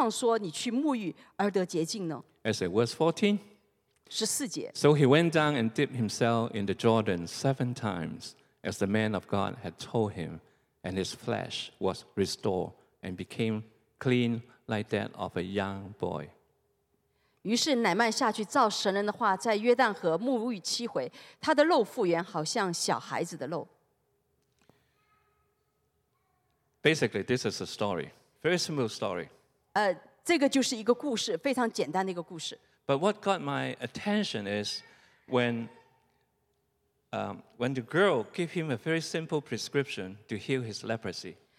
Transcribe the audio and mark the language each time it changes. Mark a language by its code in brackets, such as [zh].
[zh] 他的仆人近前来对他说：“我父啊，先知若吩咐你做一件大事，你岂不做吗？何况说你去沐浴而得洁净呢？” [en] As it was 14. [zh] 14节. [en] So he went down and dipped himself in the Jordan 7 times, as the man of God had told him, and his flesh was restored and became clean like that of a young boy. [zh] 于是乃曼下去照神人的话，在约旦河沐浴7回，他的肉复原，好像小孩子的肉。 [en] Basically, this is a story, very simple story. [zh] 这个就是一个故事，非常简单的一个故事。 [en] But what got my attention is when the girl gave him a very simple prescription to heal his leprosy.